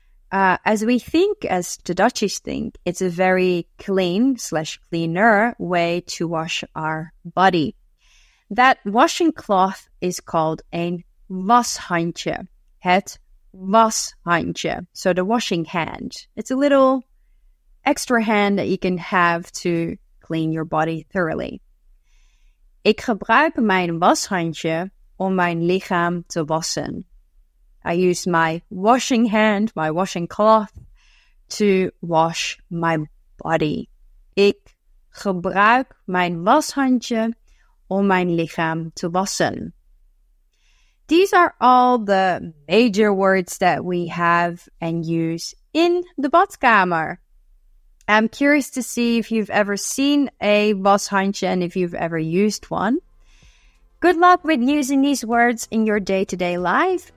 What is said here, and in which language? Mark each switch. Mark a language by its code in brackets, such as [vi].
[en] As we think, as the Dutchies think, it's a very clean / cleaner way to wash our body. That washing cloth is called a washandje. Het washandje. So the washing hand. It's a little extra hand that you can have to clean your body thoroughly. [nl] Ik gebruik mijn washandje om mijn lichaam te wassen. [en] I use my washing hand, my washing cloth, to wash my body. [nl] Ik gebruik mijn washandje om mijn lichaam te wassen. [en] These are all the major words that we have and use in the badkamer. I'm curious to see if you've ever seen a washandje and if you've ever used one. Good luck with using these words in your day-to-day life.